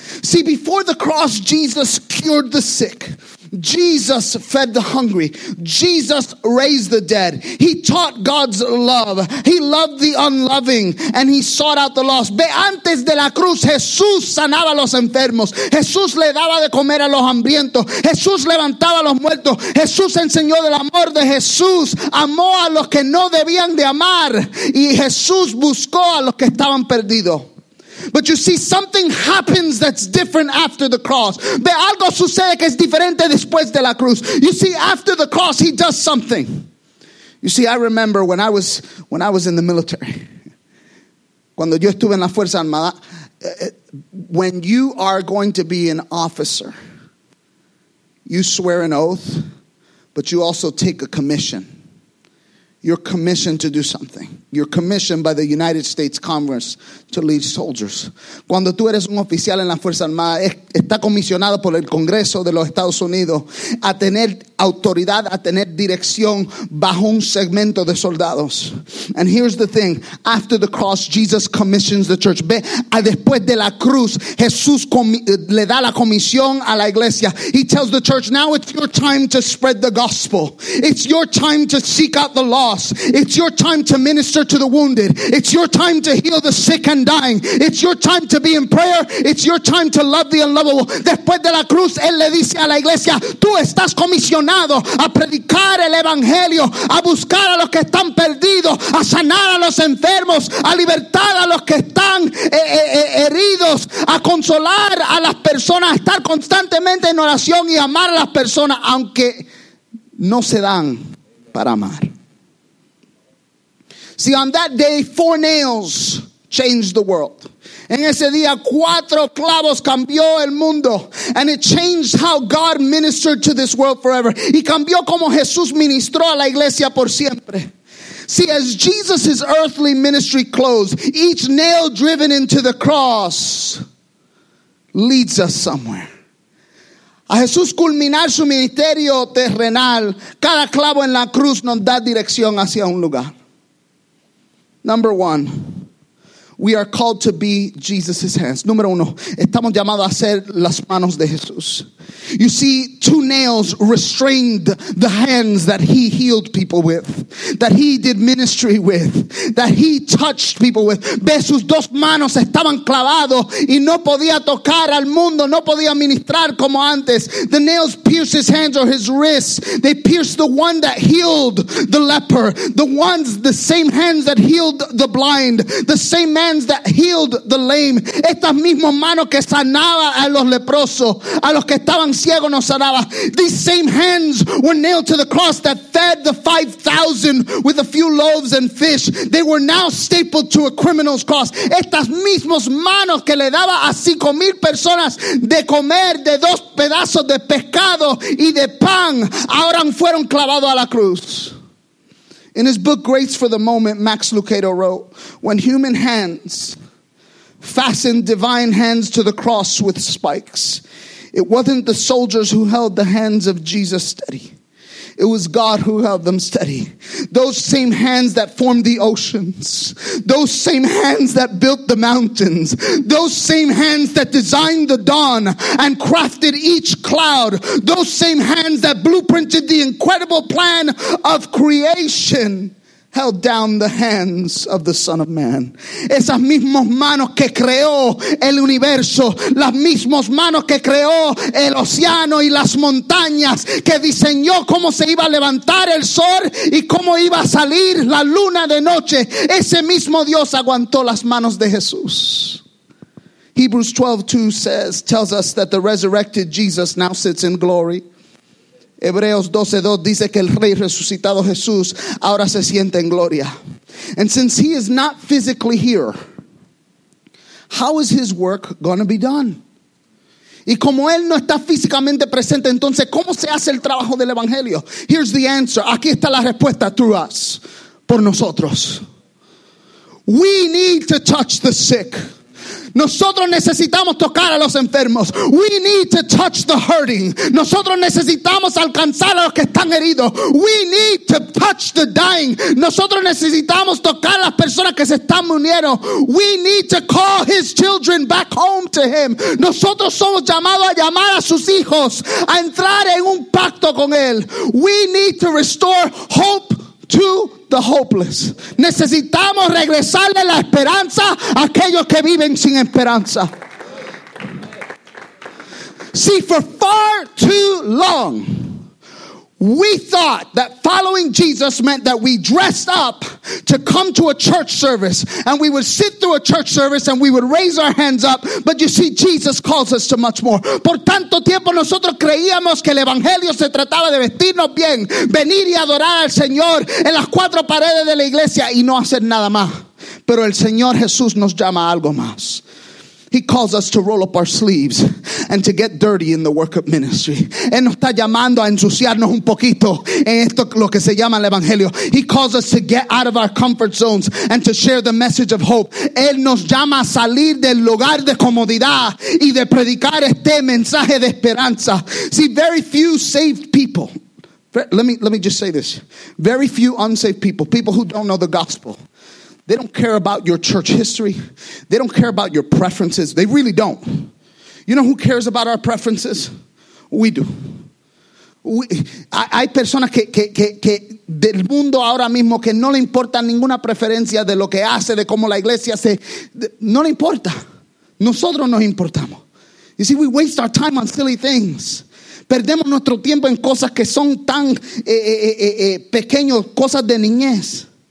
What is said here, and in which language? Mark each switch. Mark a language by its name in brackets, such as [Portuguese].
[English] See, before the cross, Jesus cured the sick. Jesus fed the hungry. Jesus raised the dead. He taught God's love. He loved the unloving and he sought out the lost. [Spanish] Ve, antes de la cruz, Jesús sanaba a los enfermos. Jesús le daba de comer a los hambrientos. Jesús levantaba a los muertos. Jesús enseñó del amor de Jesús. Amó a los que no debían de amar. Y Jesús buscó a los que estaban perdidos. [English] But you see, something happens that's different after the cross. [Spanish] Ve, algo sucede que es diferente después de la cruz. [English] You see, after the cross, he does something. You see, I remember when I was in the military. [Spanish] Cuando yo estuve en la Fuerza Armada, [English] when you are going to be an officer, you swear an oath, but you also take a commission. You're commissioned to do something. You're commissioned by the United States Congress to lead soldiers. [Spanish] Cuando tú eres un oficial en la Fuerza Armada, está comisionado por el Congreso de los Estados Unidos a tener autoridad, a tener dirección bajo un segmento de soldados. [English] And here's the thing. After the cross, Jesus commissions the church. [Spanish] Ve, después de la cruz, Jesús le da la comisión a la iglesia. [English] He tells the church, now it's your time to spread the gospel. It's your time to seek out the lost. It's your time to minister to the wounded. It's your time to heal the sick and dying. It's your time to be in prayer. It's your time to love the unlovable. [Spanish] Después de la cruz, él le dice a la iglesia, tú estás comisionado a predicar el evangelio, a buscar a los que están perdidos, a sanar a los enfermos, a libertar a los que están heridos, a consolar a las personas, a estar constantemente en oración y amar a las personas, aunque no se dan para amar. [English] See, on that day, 4 nails changed the world. [Spanish] En ese día, 4 clavos cambió el mundo. [English] And it changed how God ministered to this world forever. [Spanish] Y cambió como Jesús ministró a la iglesia por siempre. [English] See, as Jesus' earthly ministry closed, each nail driven into the cross leads us somewhere. [Spanish] A Jesús culminar su ministerio terrenal, cada clavo en la cruz nos da dirección hacia un lugar. [English] Number one, we are called to be Jesus' hands. [Spanish] Número uno, estamos llamados a ser las manos de Jesús. [English] You see, two nails restrained the hands that he healed people with, that he did ministry with, that he touched people with. [Spanish] Ve, sus dos manos estaban clavados y no podía tocar al mundo, no podía ministrar como antes. [English] The nails pierced his hands or his wrists. They pierced the one that healed the leper. The ones, the same hands that healed the blind. The same hands that healed the lame. [Spanish] Estas mismas manos que sanaba a los leprosos, a los que estaban ciego no sanaba. [English] These same hands were nailed to the cross that fed the 5,000 with a few loaves and fish. They were now stapled to a criminal's cross. [Spanish] Estas mismas manos que le daba a 5,000 personas de comer de dos pedazos de pescado y de pan, ahora fueron clavados a la cruz. [English] In his book Grace for the Moment, Max Lucado wrote, "When human hands fastened divine hands to the cross with spikes, it wasn't the soldiers who held the hands of Jesus steady. It was God who held them steady. Those same hands that formed the oceans. Those same hands that built the mountains. Those same hands that designed the dawn and crafted each cloud. Those same hands that blueprinted the incredible plan of creation held down the hands of the Son of Man." [Spanish] Esas mismas manos que creó el universo, las mismas manos que creó el océano y las montañas, que diseñó cómo se iba a levantar el sol y cómo iba a salir la luna de noche. Ese mismo Dios aguantó las manos de Jesús. [English] Hebrews 12:2 says, tells us that the resurrected Jesus now sits in glory. [Spanish] Hebreos 12:2 dice que el Rey resucitado Jesús ahora se siente en gloria. [English] And since he is not physically here, how is his work going to be done? [Spanish] Y como él no está físicamente presente, entonces, ¿cómo se hace el trabajo del Evangelio? [English] Here's the answer. [Spanish] Aquí está la respuesta [English] through us, [Spanish] por nosotros. [English] We need to touch the sick. [Spanish] Nosotros necesitamos tocar a los enfermos. [English] We need to touch the hurting. [Spanish] Nosotros necesitamos alcanzar a los que están heridos. [English] We need to touch the dying. [Spanish] Nosotros necesitamos tocar a las personas que se están muriendo. [English] We need to call his children back home to him. [Spanish] Nosotros somos llamados a llamar a sus hijos, a entrar en un pacto con él. [English] We need to restore hope to the hopeless. [Spanish] Necesitamos regresarle la esperanza a aquellos que viven sin esperanza. [English] See, for far too long, we thought that following Jesus meant that we dressed up to come to a church service and we would sit through a church service and we would raise our hands up. But you see, Jesus calls us to much more. [Spanish] Por tanto tiempo nosotros creíamos que el evangelio se trataba de vestirnos bien, venir y adorar al Señor en las cuatro paredes de la iglesia y no hacer nada más. Pero el Señor Jesús nos llama a algo más. [English] He calls us to roll up our sleeves and to get dirty in the work of ministry. [Spanish] Él nos está llamando a ensuciarnos un poquito en esto lo que se llama el evangelio. [English] He calls us to get out of our comfort zones and to share the message of hope. [Spanish] Él nos llama a salir del lugar de comodidad y de predicar este mensaje de esperanza. [English] See, very few saved people. Let me just say this. Very few unsaved people, people who don't know the gospel. They don't care about your church history. They don't care about your preferences. They really don't. You know who cares about our preferences? We do. [Spanish] Hay personas que del mundo ahora mismo que no le importa ninguna preferencia de lo que hace, de cómo la iglesia se... No le importa. Nosotros nos importamos. [English] You see, we waste our time on silly things. [Spanish] Perdemos nuestro tiempo en cosas que son tan pequeños, cosas de niñez.